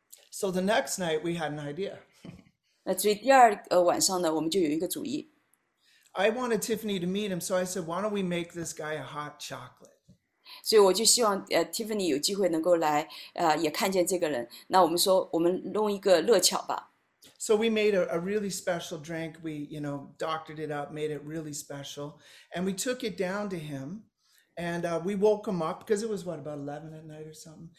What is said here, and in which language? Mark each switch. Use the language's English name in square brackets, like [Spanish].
[English] So the next night we had an idea. [Chinese] 那所以第二晚上呢，我们就有一个主意。 [English] I wanted Tiffany to meet him, so I said, "Why don't we make this guy a hot chocolate?" [Chinese] 所以我就希望 Tiffany 有机会能够来 也看见这个人。那我们说，我们弄一个热巧吧。 [English] So we made a really special drink. We, you know, doctored it up, made it really special, and we took it down to him, and we woke him up because it was what, about 11 at night or something.